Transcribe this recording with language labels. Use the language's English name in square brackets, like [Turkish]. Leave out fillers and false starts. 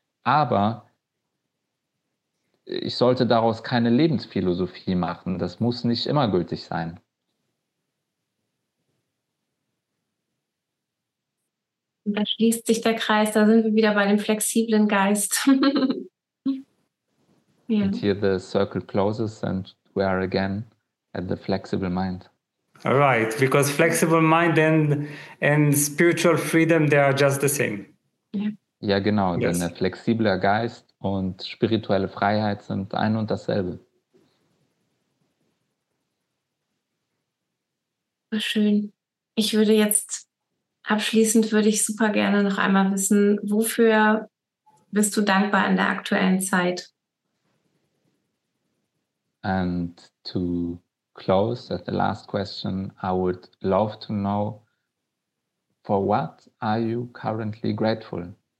[German] Aber ich sollte daraus keine Lebensphilosophie machen. Das muss nicht immer gültig sein. Da schließt sich der Kreis, da sind wir wieder bei dem flexiblen Geist. [English] Yeah. And here the circle closes and we are again at the flexible mind. All right, because flexible mind and spiritual freedom, they are just the same. [German] Yeah. Ja, genau, yes. Denn der flexible Geist und spirituelle Freiheit sind ein und dasselbe. War schön. Ich würde jetzt... Abschließend würde ich super gerne noch einmal wissen, wofür bist du dankbar in der aktuellen Zeit? [English] And to close at the last question, I would love to know, for what are you currently grateful?